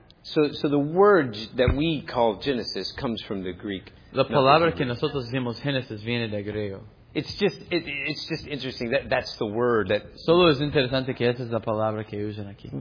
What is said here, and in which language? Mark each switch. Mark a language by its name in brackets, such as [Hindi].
[English] So the word that we call Genesis comes from the Greek. [Spanish] La palabra que nosotros decimos Génesis viene de griego. [English] It's just interesting that that's the word that. [Spanish] Solo es interesante que esa es la palabra que usan aquí.